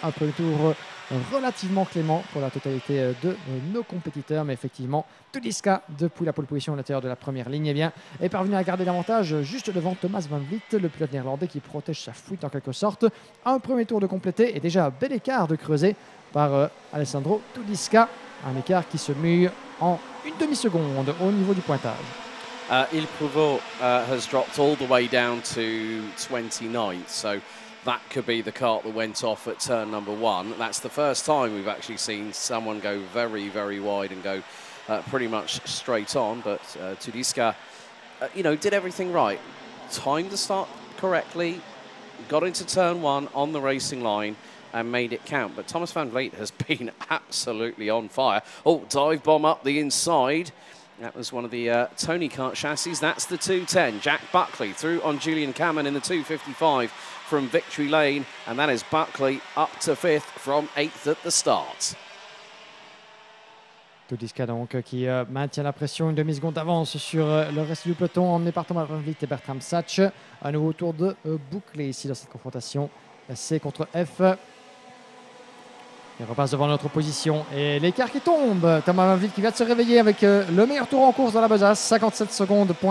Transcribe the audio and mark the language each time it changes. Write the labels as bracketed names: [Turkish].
[French] Un premier tour relativement clément pour la totalité de nos compétiteurs, mais effectivement, Tudisca, depuis la pole position à l'intérieur de la première ligne, est parvenu à garder l'avantage juste devant Thomas Van Vliet, le pilote néerlandais qui protège sa fuite en quelque sorte. Un premier tour de compléter et déjà un bel écart de creuser par Alessandro Tudisca, un écart qui se mue en une demi-seconde au niveau du pointage. [English] Il Prouvot has dropped all the way down to 29th, so that could be the cart that went off at turn number 1. That's the first time we've actually seen someone go very, very wide and go pretty much straight on, but Tudisca, did everything right. Timed the start correctly, got into turn 1 on the racing line, and made it count. But Thomas Van Vliet has been absolutely on fire. Oh, dive bomb up the inside. That was one of the Tony Kart chassis. That's the 210. Jack Buckley through on Julian Kamen in the 255 from Victory Lane. And that is Buckley up to fifth from eighth at the start. [French] Tudisca donc qui maintient la pression, une demi-seconde d'avance sur le reste du peloton, emmené par Thomas Van Vliet et Bertram Sach. Un nouveau tour de boucler ici dans cette confrontation. C contre F. Il repasse devant notre position et l'écart qui tombe. Thomas Van Vliet qui vient de se réveiller avec le meilleur tour en course dans la besace, 57.1 secondes.